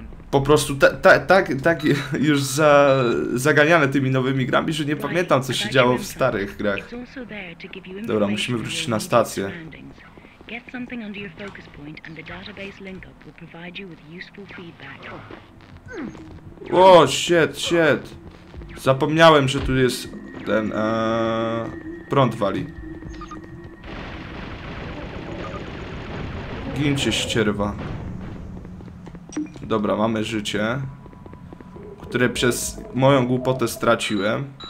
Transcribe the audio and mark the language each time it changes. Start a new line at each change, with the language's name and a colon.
Polish: po prostu tak już zaganiany tymi nowymi grami, że nie pamiętam, co się działo w starych grach. Dobra, musimy wrócić na stację.
English: Get something under your focus point and the database link up will provide you with useful feedback. O, shit, shit.
Polish: Zapomniałem, że tu jest ten, prąd wali. Gincie, ścierwa. Dobra, mamy życie, które przez moją głupotę straciłem.